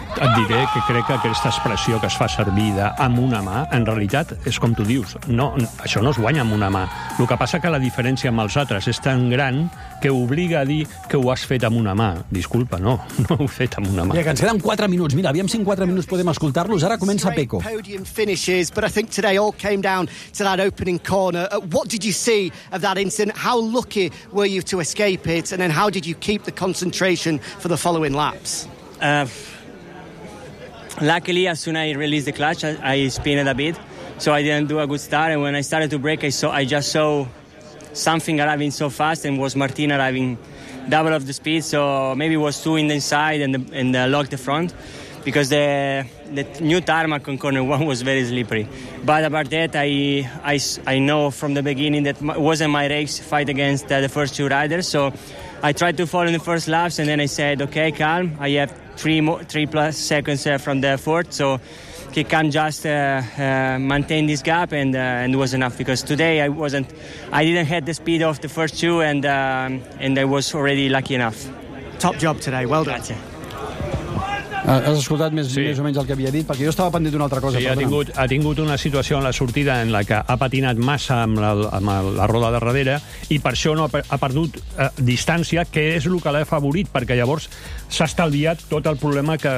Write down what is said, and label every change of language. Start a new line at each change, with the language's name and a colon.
Catalan: et diré que crec que aquesta expressió que es fa servir de amb una mà, en realitat, és com tu dius, no, això no es guanya amb una mà. El que passa que la diferència amb els altres és tan gran que obliga a dir que ho has fet amb una mà. Disculpa, no, no ho he fet amb una mà. Ja, que ens queden 4 minuts. Mira, aviam si en 4 minuts podem escoltar-los. Ara comença Peco.
English: Podium finishes, but I think today all came down to that opening corner. What did you see of that incident? How lucky were you to escape it? And then how did you keep the concentration for the following laps? Luckily, as soon as I released the clutch, I spinned a bit, so I didn't do a good start. And when I started to brake, I just saw something arriving so fast, and was Martin arriving double of the speed. So maybe it was two in the inside and locked the front, because the new tarmac on corner one was very slippery. But about that, I know from the beginning that it wasn't my race fight against the first two riders. So I tried to follow in the first laps, and then I said, okay, calm, I have three plus seconds from the fourth, so he can just maintain this gap, and it was enough, because today I didn't have the speed of the first two, and I was already lucky enough. Top job today, well done.
Catalan: Has escoltat més o menys el que havia dit? Perquè jo estava pendent d'una altra cosa. Sí, ha tingut una situació en la sortida en la que ha patinat massa amb la roda de darrere, i per això no ha perdut distància, que és el que l'ha favorit, perquè llavors s'ha estalviat tot el problema que...